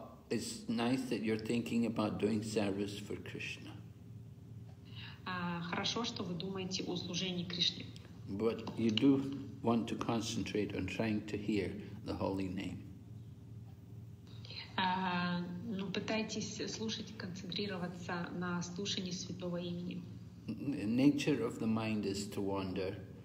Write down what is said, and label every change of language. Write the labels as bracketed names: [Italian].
[English] It's nice that you're thinking about doing service for Krishna. [Russian] Хорошо, что вы думаете о служении Кришне. [English] But you do want to concentrate on trying to hear the holy name. [Russian] Ну, пытайтесь слушать, концентрироваться на слушании святого имени. [English] The nature of the mind is to wander.